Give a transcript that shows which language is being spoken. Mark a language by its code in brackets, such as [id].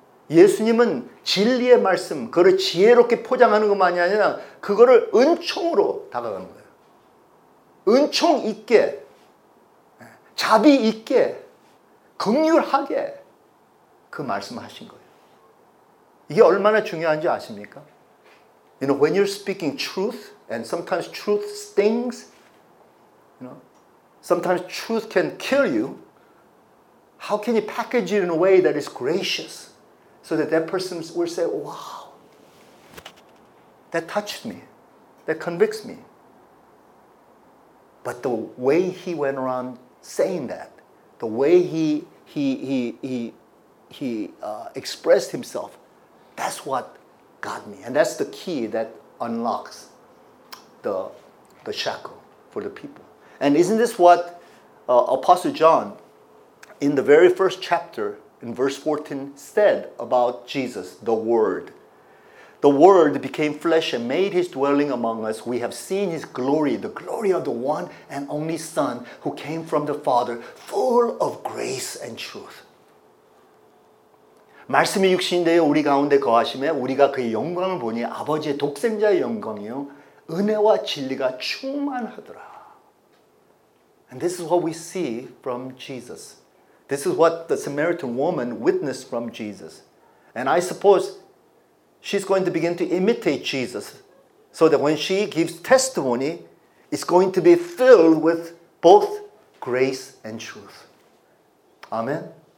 [ko] 예수님은 진리의 말씀, 그거를 지혜롭게 포장하는 것만이 아니라 그거를 은총으로 다가가는 거예요. 은총 있게, 자비 있게, 긍휼하게 그 말씀을 하신 거예요. 이게 얼마나 중요한지 아십니까? [en] You know, when you're speaking truth, and sometimes truth stings, you know, sometimes truth can kill you, how can you package it in a way that is gracious so that that person will say, wow, that touched me, that convicts me. But the way he went around saying that, the way he expressed himself, that's what got me. And that's the key that unlocks the shackle for the people. And isn't this what Apostle John, in the very first chapter, in verse 14, said about Jesus, the Word. The Word became flesh and made his dwelling among us. We have seen his glory, the glory of the one and only Son who came from the Father, full of grace and truth. [ko] 말씀이 육신되어 우리 가운데 거하심에 우리가 그의 영광을 보니 아버지의 독생자의 영광이요 은혜와 진리가 충만하더라. [en] And this is what we see from Jesus. This is what the Samaritan woman witnessed from Jesus. And I suppose she's going to begin to imitate Jesus so that when she gives testimony, it's going to be filled with both grace and truth. Amen.